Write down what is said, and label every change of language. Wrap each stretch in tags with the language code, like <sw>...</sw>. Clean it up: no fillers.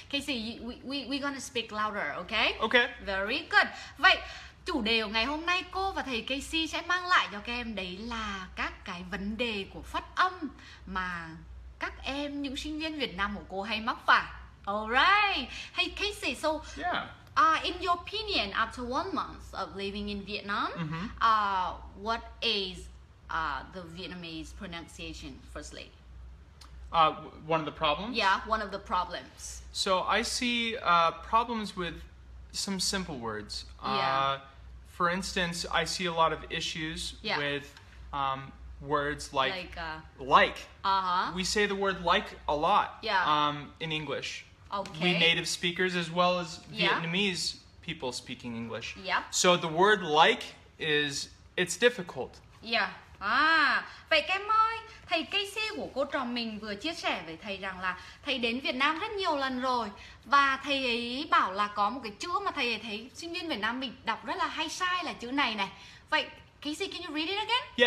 <en>Kasey, we gonna speak louder, okay? Okay. Very good.</en> <vi>Vậy chủ đề của ngày hôm nay cô và thầy Kasey sẽ mang lại cho các em đấy là các cái vấn đề của phát âm mà các em, những sinh viên Việt Nam của cô hay mắc phải.</vi> <en>Alright, hey Kasey, so yeah. In your opinion, after 1 month of living in Vietnam, what is the Vietnamese pronunciation firstly? One of the problems? Yeah, one of the problems. So I see problems with some simple words. For instance, I see a lot of issues with words like. Uh-huh. We say the word like a lot in English. Okay. We native speakers as well as Vietnamese people speaking English. Yeah. So the word like is, it's difficult. Yeah.</en> <vi>Vậy các em ơi, thầy Kasey của cô trò mình vừa chia sẻ với thầy rằng là thầy đến Việt Nam rất nhiều lần rồi. Và thầy ấy bảo là có một cái chữ mà thầy ấy thấy sinh viên Việt Nam mình đọc rất là hay sai là chữ này này.</vi> <en>Vậy Kasey, can you read it again?</en>